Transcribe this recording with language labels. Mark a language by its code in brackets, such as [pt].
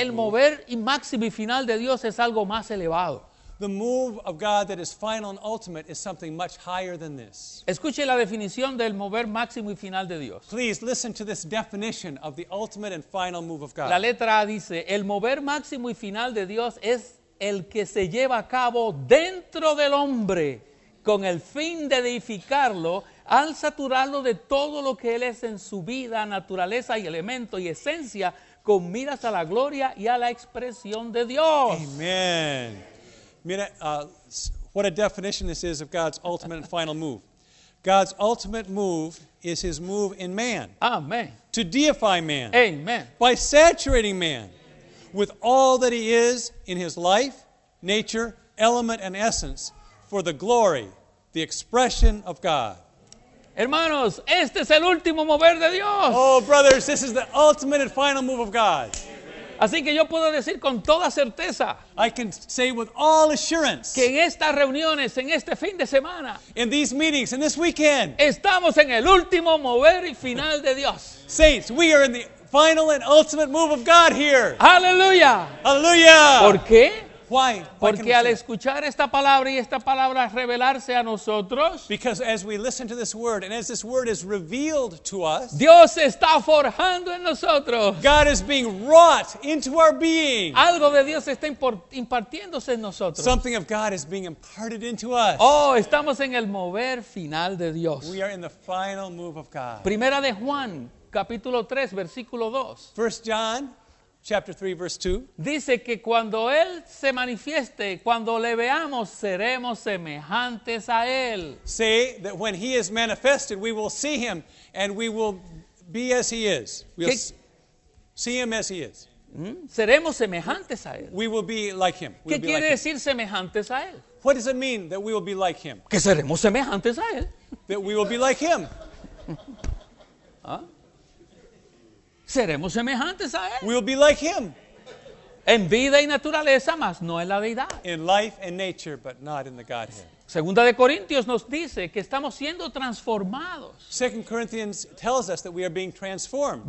[es] el mover y máximo y final de Dios es algo más elevado. [en] The move of God that is final and ultimate is something much higher than this. [es] Escuche la definición del mover máximo y final de Dios. [en] Please listen to this definition of the ultimate and final move of God. [es] La letra A dice, el mover máximo y final de Dios es el que se lleva a cabo dentro del hombre con el fin de edificarlo al saturarlo de todo lo que él es en su vida, naturaleza y elemento y esencia, con miras a la gloria y a la expresión de Dios. [en] Amen. Mira, what a definition this is of God's ultimate and final move. God's ultimate move is His move in man. Amen. To deify man. Amen. By saturating man. with all that he is in his life, nature, element, and essence, for the glory, the expression of God. [es] Hermanos, este es el último mover de Dios. [en] Oh, brothers, this is the ultimate and final move of God. [es] Así que yo puedo decir con toda certeza, [en] I can say with all assurance, [es] que en estas reuniones, en este fin de semana, [en] in these meetings, in this weekend, [es] estamos en el último mover y final de Dios. [en] Saints, we are in the final and ultimate move of God here. [es] Aleluya. Aleluya. ¿Por qué? [en] Why? [es] Porque al escuchar esta palabra y esta palabra revelarse a nosotros, [en] because as we listen to this word and as this word is revealed to us, [es] Dios está forjando en nosotros. [en] God is being wrought into our being. [es] Algo de Dios está impartiéndose en nosotros. [en] Something of God is being imparted into us. [es] Oh, estamos en el mover final de Dios. [en] We are in the final move of God. [es] Primera de Juan, capítulo 3, versículo 2. [en] First John chapter 3, verse 2. [es] Dice que cuando Él se manifieste, cuando le veamos, seremos semejantes a Él. [en] Say that when He is manifested, we will see Him and we will be as He is. We'll see Him as He is. [es] Seremos semejantes a Él. [en] We will be like Him. [es] ¿Qué quiere decir semejantes a Él? [en] What does it mean that we will be like Him? [es] Que seremos semejantes a Él. [en] That we will be like Him. [es] Seremos semejantes a Él. [en] We'll be like Him. [es] En vida y naturaleza, mas no en la deidad. [en] In life and nature, but not in the Godhead. [es] Segunda de Corintios nos dice que estamos siendo transformados. [en] Second Corinthians tells us that we are being transformed.